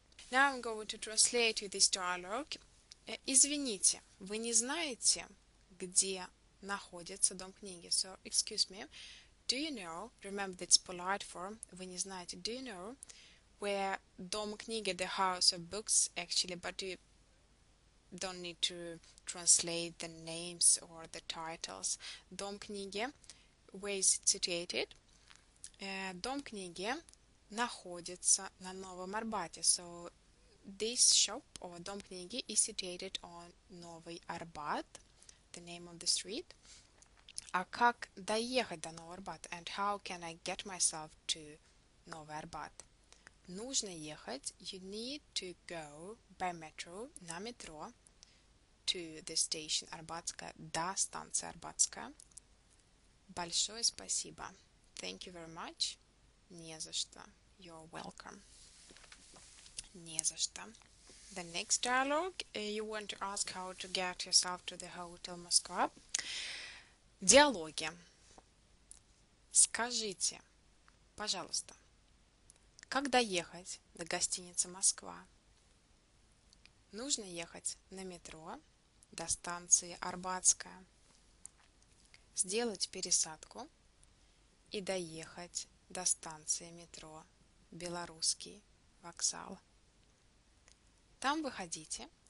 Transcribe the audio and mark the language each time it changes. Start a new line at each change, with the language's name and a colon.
English: Now I'm going to translate you this dialogue.
Russian: Извините, вы не знаете, где находится дом книги?
English: So, excuse me. Do you know, remember that it's polite form,
Russian: вы не знаете,
English: do you know where дом книги, the house of books, actually, but you don't need to translate the names or the titles. Дом книги, where is it situated?
Russian: Дом книги находится на Новом Арбате.
English: So, this shop or дом книги is situated on Новый Арбат, the name of the street.
Russian: А как доехать до Нового Арбата?
English: And how can I get myself to Новый Арбат?
Russian: Нужно ехать.
English: You need to go by metro,
Russian: на метро,
English: to the station Арбатская,
Russian: до станции Арбатская. Большое спасибо.
English: Thank you very much.
Russian: Не за что.
English: You're welcome.
Russian: Не за что.
English: The next dialogue. You want to ask how to get yourself to the hotel Москва.
Russian: Диалоги. Скажите, пожалуйста, как доехать до гостиницы Москва? Нужно ехать на метро до станции Арбатская, сделать пересадку и доехать до станции метро Белорусский вокзал. Там выходите.